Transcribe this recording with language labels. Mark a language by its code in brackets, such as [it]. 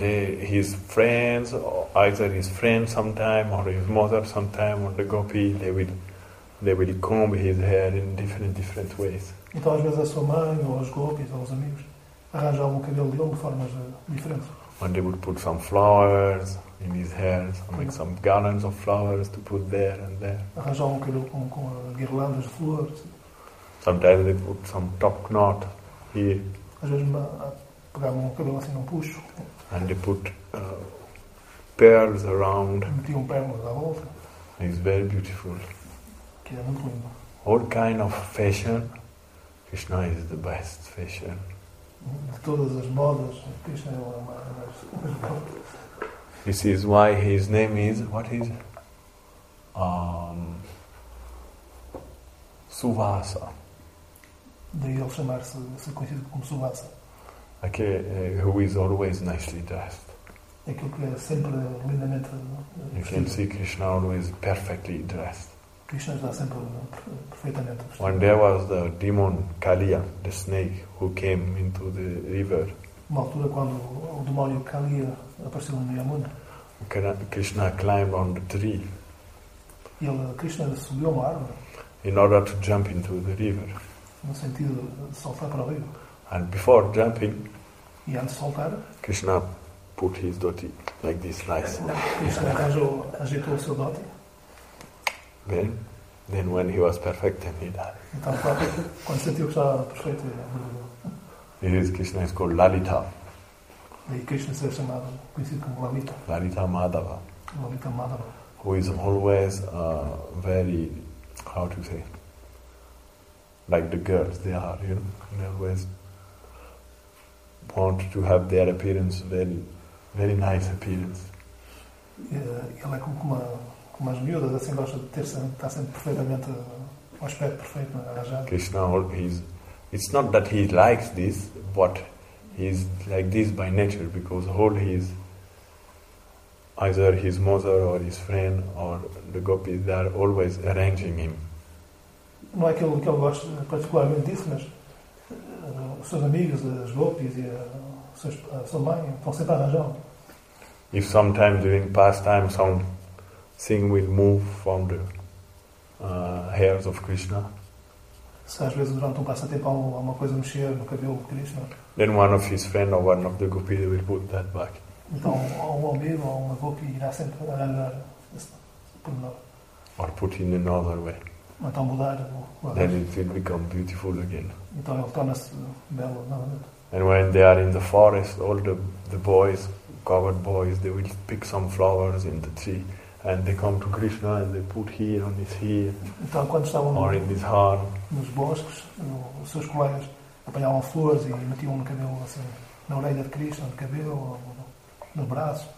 [en] his friends, either his friend sometime or his mother sometime or the gopi, they will comb his hair in different ways. [pt] Então às vezes a sua mãe ou os gopis ou os amigos arranjavam o cabelo dele de formas diferentes. [en] And they would put some flowers in his hair, make some garlands of flowers to put there and there. [pt] Arranjavam o cabelo com guirlandas de flores. [en] Sometimes they put some top knot here. [pt] Às vezes pegavam o cabelo assim num puxo. [en] And they put pearls around. [pt] Metiam pérolas à volta. [en] It's very beautiful. [pt] Que é muito lindo. [en] All kind of fashion, Krishna is the best fashion. [pt] De todas as modas, Krishna é uma das melhores. [en] This is why his name is, what is it? Suvasa. [pt] Daí ele chamar-se, ser conhecido como Suvasa. [en] Okay, who is always nicely dressed. [pt] Aquilo que é sempre lindamente vestido. [en] You can see Krishna always perfectly dressed. [pt] Krishna está sempre perfeitamente vestido. [en] When there was the demon Kaliya, the snake, who came into the river. [pt] Uma altura quando o demônio Kaliya apareceu no Yamuna. [en] Krishna climbed on the tree. [pt] ele, Krishna subiu uma árvore. [en] In order to jump into the river. [pt] No sentido de saltar para o rio. [en] And before jumping. [pt] E antes de saltar. [en] Krishna put his dhoti like this nice. [pt] Krishna arranjou, ajeitou o seu dhoti. [en] Then when he was perfect, then he died. [pt] Então, quando sentiu que estava perfeito, ele morreu. [en] It is Krishna is called Lalita. [pt] E Krishna é chamado, conhecido como Lalita. Lalita Madhava. Lalita Madhava. [en] Who is always very, how to say, like the girls they are, you know, they always want to have their appearance very, very nice appearance. [pt] Ela é como as miúdas, assim gosta de ter estar sempre perfeitamente, um aspecto perfeito, arranjado. [en] Krishna, it's not that he likes this, but he's like this by nature, because all his, either his mother or his friend or the gopis, they are always arranging him. [pt] Não é aquilo que ele gosta particularmente disso, mas os seus amigos, as gopis e a sua mãe estão sempre a arranjar. [en] If sometimes during pastime some thing will move from the hairs of Krishna. [pt] Se às vezes durante um passatempo há uma coisa mexer no cabelo de Krishna. [en] Then one of his friend or one of the gopis will put that back. [pt] Então, ou um amigo ou uma gopi irá sempre arranjar esse pormenor. [en] Or put in another way. [pt] Então mudar o [en] then it will become beautiful again. [pt] Então ele torna-se belo novamente. [en] And when they are in the forest, all the boys, covered boys, they will pick some flowers in the tree and they come to Krishna and they put here on his ear. [pt] Então quando estavam [en] or in his heart, [pt] nos bosques, os seus colegas apanhavam flores e metiam no cabelo assim, na orelha de Krishna, no cabelo ou no braço.